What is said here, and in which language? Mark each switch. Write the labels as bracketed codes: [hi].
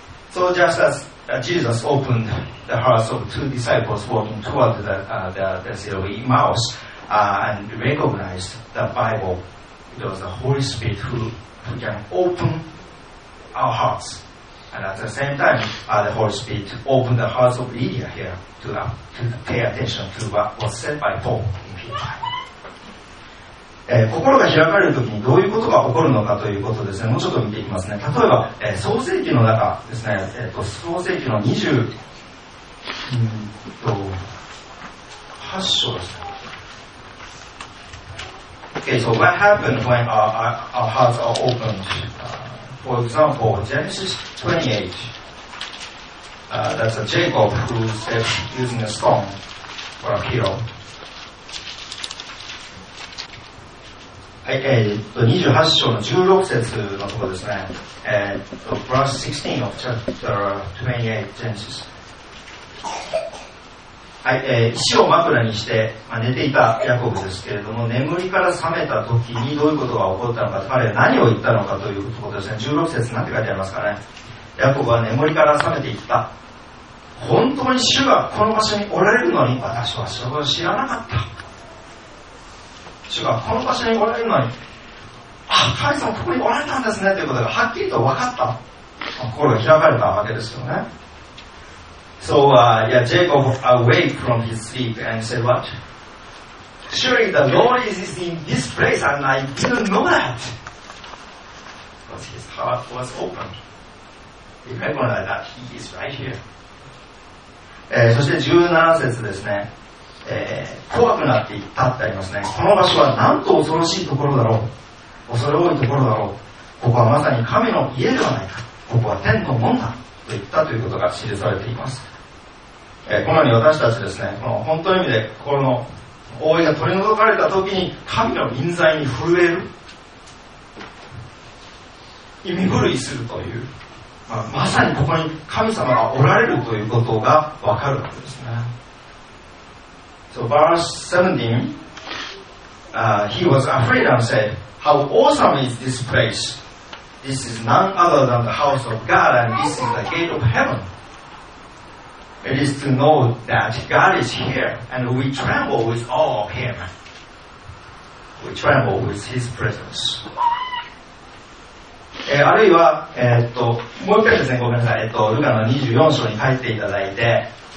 [en] So just as Jesus opened the hearts of two disciples walking toward the city of Emmaus and recognized the Bible, it was the Holy Spirit who can open our hearts. And at the same time, the Holy Spirit opened the hearts of Lydia here to pay attention to what was said by Paul. [ja] 心が開かれるときにどういうことが起こるのかということですね、もうちょっと見ていきますね。例えば、創世記の中ですね、創世記の28章です。 [en] Okay, so what happened when our hearts are opened? For example, Genesis 28, that's a Jacob who steps using a stone for a pillow. [ja] 28章の16節のところですね。 [en] Verse 16 of chapter 28 Genesis。 [ja] はい、石を枕にして、寝ていたヤコブですけれども、眠りから覚めたときにどういうことが起こったのか、彼は何を言ったのかというところですね。 16節なんて書いてありますかね。ヤコブは眠りから覚めていった。本当に主がこの場所におられるのに、私はそれを知らなかった。主がこの場所におられるのに、あ、神様ここにおられたんですねということがはっきりと分かった、心が開かれたわけですよね。 [en] So Jacob awake from his sleep and said what? Surely the Lord is in this place and I didn't know that. Because his heart was open. He recognized that he is right here. [ja] そして17節ですね、怖くなっていったってありますね。この場所はなんと恐ろしいところだろう、恐れ多いところだろう、ここはまさに神の家ではないか、ここは天の門だと言ったということが記されています。このように私たちですね、この本当の意味で心の覆いが取り除かれた時に神の臨在に震える、身震いするという、まさにここに神様がおられるということがわかるわけですね。 [en] So verse 17, he was afraid and said, How awesome is this place! This is none other than the house of God, and this is the gate of heaven. It is to know that God is here, and we tremble with awe of him. We tremble with his presence. [ja] あるいは、もう一回ですね、ごめんなさい、ルカの24章に書いていただいて、